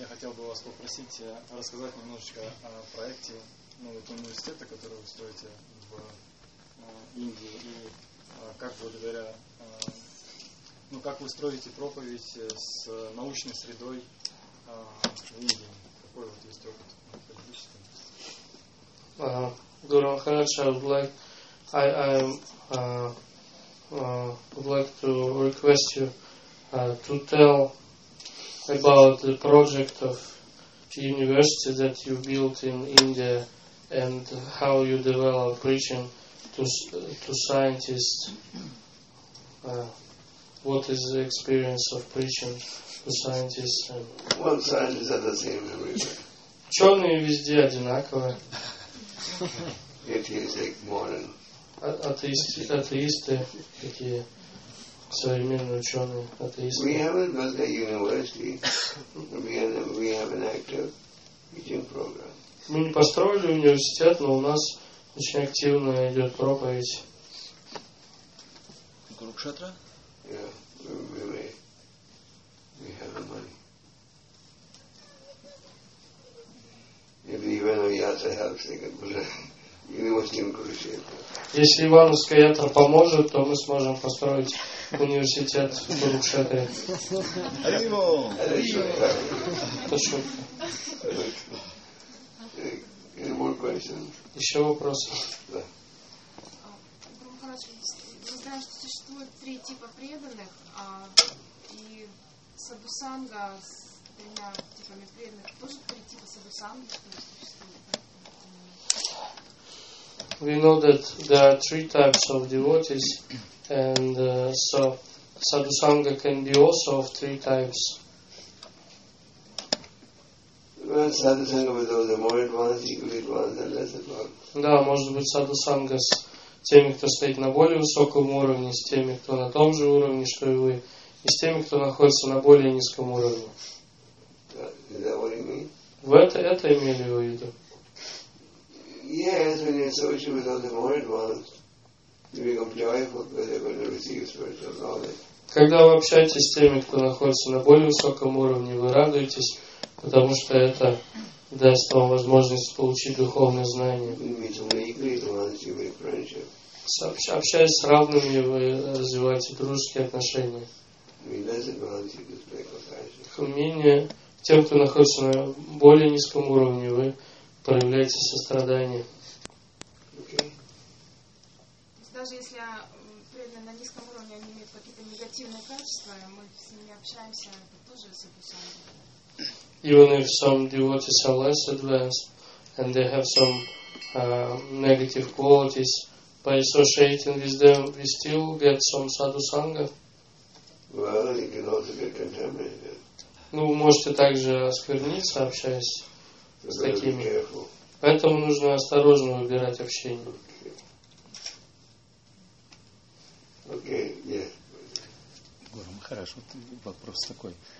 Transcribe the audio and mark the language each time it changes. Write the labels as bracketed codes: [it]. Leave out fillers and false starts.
[ru] Я хотел бы вас попросить рассказать немножечко о проекте нового университета, который вы строите в Индии, и как благодаря как вы строите проповедь с научной средой в Индии. Какой вот есть опыт практический? [en] Гуру Махарадж, I would like to request you to tell about the project of the university that you built in India and how you develop preaching to scientists. What is the experience of preaching to scientists? Well, scientists are the same everywhere. [ru] Черные везде одинаковые. [en] If you take modern. [ru] Атеисты, такие современные ученые, атеисты. [en] We haven't built a university. We have an active teaching program. [ru] Мы не построили университет, но у нас очень активно идет проповедь. Курукшетра? [en] Yeah, we have the money. Maybe even if Yatra helps, they can put [ru] Если Ивановская ятра поможет, то мы сможем построить университет в Курукшетре. Ариво! Это шутка. Еще вопросы? Гуру Махарадж, я знаю, что существует три типа преданных, и садусанга с тремя типами преданных. Тоже три типа садусанга, что ли, существует? [en] We know that there are three types of devotees, and so sadhusanga can be also of three types. Well, sadhusanga with the more advanced, equally advanced, and less advanced. [ru] Да, может быть, sadhusanga с теми, кто стоит на более высоком уровне, с теми, кто на том же уровне, что и вы, и с теми, кто находится на более низком уровне. [en] Is that what you mean? [ru] Это имели в виду? [en] Yes, when you associate with all the more advanced, you become joyful because you're going to receive spiritual knowledge. [ru] Когда вы общаетесь с теми, кто находится на более высоком уровне, вы радуетесь, потому что это даст вам возможность получить духовные знания. Общаясь с равными, вы развиваете дружеские отношения. Менее тем, кто находится на более низком уровне, вы проявляете сострадание. [en] Okay. [ru] Даже если преданные на низком уровне они имеют какие-то негативные качества, мы с ними общаемся, это тоже сопутствует. [en] Even if some devotees are less advanced and they have some negative qualities, by associating with them, we still get some sadhusanga. Well, you can also get contaminated. [ru] Ну, вы можете также оскверниться, общаясь. С такими. Поэтому нужно осторожно выбирать общение. Гуру Махарадж, вот вопрос такой.